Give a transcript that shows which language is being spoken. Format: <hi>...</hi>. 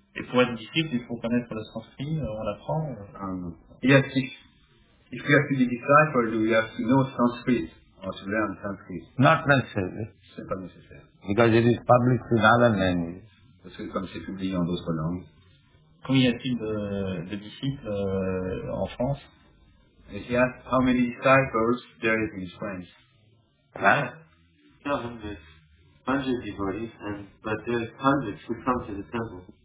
<fr>Et pour être difficile, il faut connaître le sanskrit, on l'apprend.</fr> <en>Yes, if you have to be disciple, do you have to know Sanskrit or to learn Sanskrit? Not necessarily.</en> <fr>C'est pas nécessaire.</fr> <en>Because it is published in other languages.</en> <fr>Parce que comme c'est publié en d'autres langues. Combien y a-t-il de disciples en France?</fr> <en>If you ask how many disciples there is in France? Hundreds of devotees, but there are hundreds who come to the temple.</en>